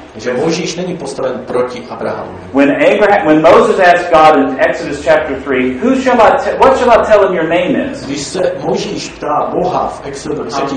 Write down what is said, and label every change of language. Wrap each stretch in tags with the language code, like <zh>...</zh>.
<cs>Že Mojžíš není postaven proti Abrahamu.</cs> <en>When Moses asked God in Exodus chapter 3, what shall I tell him your name is?</en> <cs>Když se Mojžíš ptá Boha v Exodu 3.</cs>